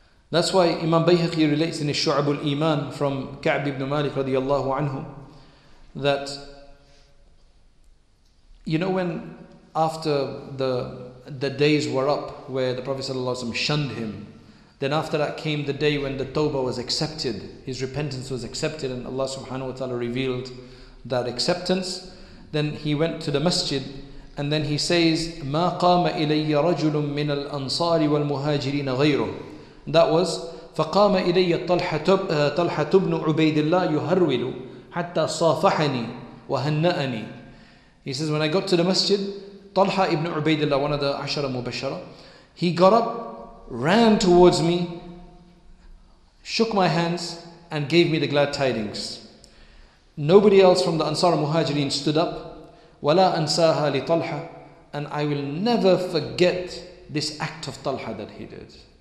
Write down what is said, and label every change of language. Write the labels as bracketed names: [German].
[English] That's why Imam Bayhaqi relates in his Shu'ab al-Iman from Ka'b ibn Malik [Arabic] radiallahu anhu [English] that, you know, when after the days were up where the Prophet shunned him, then after that came the day when the tawbah was accepted, his repentance was accepted and Allah [Arabic] subhanahu wa ta'ala [English] revealed that acceptance. Then he went to the masjid and then he says, [Arabic] مَا قَامَ إِلَيَّ رَجُلٌ مِّنَ الْأَنصَارِ وَالْمُهَاجِرِينَ غَيْرُهُ. [English] That was, [Arabic] فَقَامَ إِلَيَّ طَلْحَةُ بْنُ عُبَيْدِ اللَّهِ يُهَرْوِلُ حَتَّى صَافَحَنِي وَهَنَّأَنِي. [English] He says, when I got to the masjid, Talha ibn Ubaidillah, one of the Ashara Mubashara, he got up, ran towards me, shook my hands, and gave me the glad tidings. Nobody else from the Ansar Muhajirin stood up. [Arabic] Wala ansaha li Talha, [English] and I will never forget this act of Talha that he did.